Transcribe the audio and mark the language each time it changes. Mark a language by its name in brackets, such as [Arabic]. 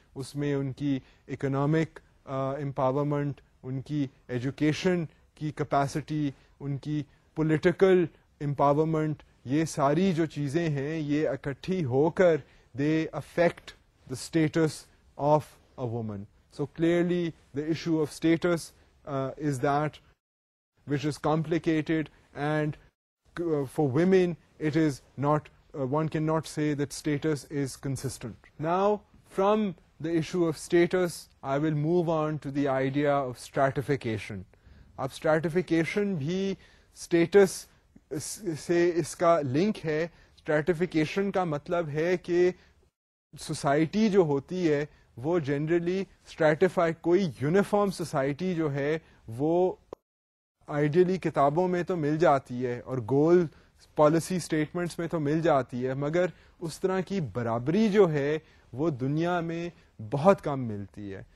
[Urdu] اس میں ان کی economic empowerment, ان کی ایجوکیشن کی کیپیسٹی, ان کی پولیٹیکل empowerment, یہ ساری جو چیزیں ہیں یہ اکٹھی ہو کر [English] they affect the status of a woman. So clearly the issue of status is that which is complicated, and for women it is not, one cannot say that status is consistent. Now from the issue of status I will move on to the idea of stratification. [Urdu] اب stratification بھی status سے اس کا link ہے. سٹریٹیفیکیشن کا مطلب ہے کہ society جو ہوتی ہے وہ جنرلی سٹریٹیفائی, کوئی یونیفارم سوسائٹی جو ہے وہ آئیڈیلی کتابوں میں تو مل جاتی ہے اور گول پالیسی سٹیٹمنٹس میں تو مل جاتی ہے, مگر اس طرح کی برابری جو ہے وہ دنیا میں بہت کم ملتی ہے.